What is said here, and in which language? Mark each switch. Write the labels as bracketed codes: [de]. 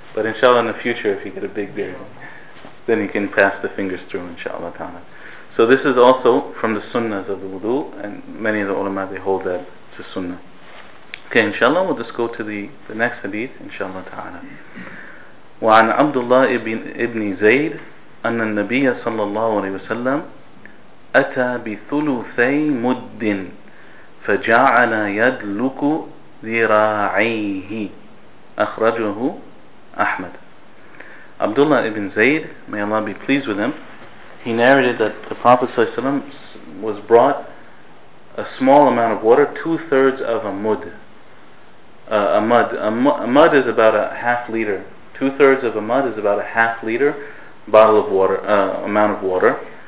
[en] But inshallah, in the future, if you get a big beard, then you can pass the fingers through, inshallah ta'ala. So this is also from the sunnahs of the wudu, and many of the ulama, they hold that it's a sunnah. Okay, inshallah, we'll just go to the next hadith, inshallah ta'ala. [ar] وعن عبد الله ابن زيد أن النبي صلى الله عليه وسلم أتى بثلثي مد فجعل يدلك ذراعيه أخرجه أحمد. [en] عبد الله ابن زيد, may Allah be pleased with him, he narrated that the Prophet [ar] صلى الله عليه وسلم [en] was brought a small amount of water, two-thirds of a mud. A mud is about a half liter. Two-thirds of a mud is about a half-liter bottle of water, amount of water.